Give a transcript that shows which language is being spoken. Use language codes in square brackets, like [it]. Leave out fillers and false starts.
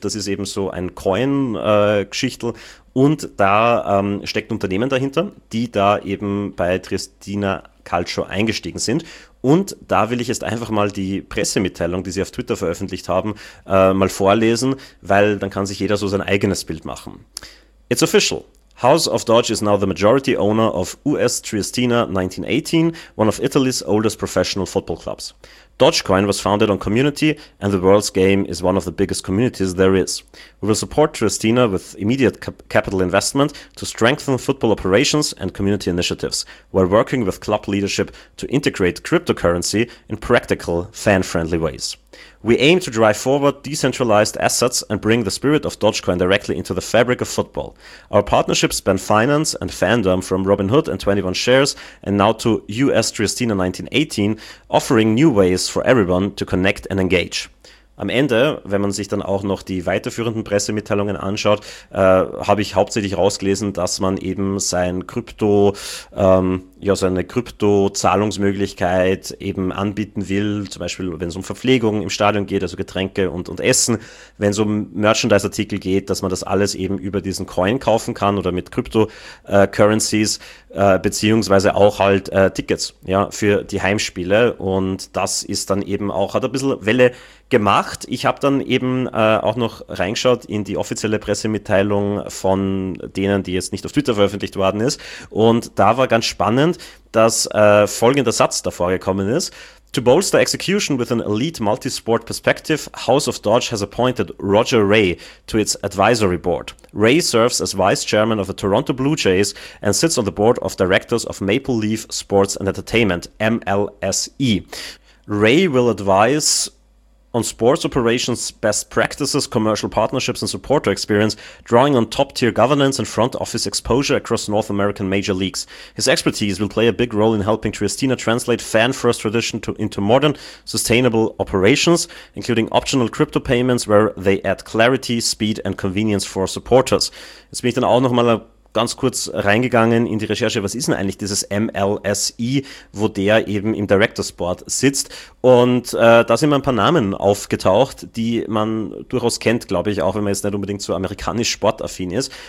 [de] Das ist eben so ein Coin-Geschichtel. Und da steckt ein Unternehmen dahinter, die da eben bei Triestina Calcio eingestiegen sind. Und da will ich jetzt einfach mal die Pressemitteilung, die sie auf Twitter veröffentlicht haben, mal vorlesen, weil dann kann sich jeder so sein eigenes Bild machen. [en] It's official. House of Doge is now the majority owner of US Triestina 1918, one of Italy's oldest professional football clubs. Dogecoin was founded on community, and the world's game is one of the biggest communities there is. We will support Triestina with immediate capital investment to strengthen football operations and community initiatives, while working with club leadership to integrate cryptocurrency in practical, fan-friendly ways. We aim to drive forward decentralized assets and bring the spirit of Dogecoin directly into the fabric of football. Our partnerships span finance and fandom from Robinhood and 21 Shares and now to US Triestina 1918, offering new ways for everyone to connect and engage. [de] Am Ende, wenn man sich dann auch noch die weiterführenden Pressemitteilungen anschaut, habe ich hauptsächlich rausgelesen, dass man eben sein Krypto, ja, seine Krypto-Zahlungsmöglichkeit eben anbieten will, zum Beispiel, wenn es um Verpflegung im Stadion geht, also Getränke und Essen, wenn es um Merchandise-Artikel geht, dass man das alles eben über diesen Coin kaufen kann oder mit Krypto-Currencies, beziehungsweise auch halt Tickets, ja, für die Heimspiele. Und das ist dann eben auch, hat ein bisschen Welle gemacht. Ich habe dann eben auch noch reingeschaut in die offizielle Pressemitteilung von denen, die jetzt nicht auf Twitter veröffentlicht worden ist. Und da war ganz spannend, dass folgender Satz davor gekommen ist. [en] To bolster execution with an elite multi-sport perspective, House of Dodge has appointed Roger Ray to its advisory board. Ray serves as vice chairman of the Toronto Blue Jays and sits on the board of directors of Maple Leaf Sports and Entertainment, MLSE. Ray will advise on sports operations, best practices, commercial partnerships and supporter experience, drawing on top-tier governance and front office exposure across North American major leagues. His expertise will play a big role in helping Triestina translate fan-first tradition into modern, sustainable operations, including optional crypto payments, where they add clarity, speed and convenience for supporters. [de] Jetzt bin ich dann auch nochmal ganz kurz reingegangen in die Recherche, was ist denn eigentlich dieses MLSE, wo der eben im Director's Board sitzt. Und da sind mir ein paar Namen aufgetaucht, die man durchaus kennt, glaube ich, auch wenn man jetzt nicht unbedingt so amerikanisch sportaffin ist.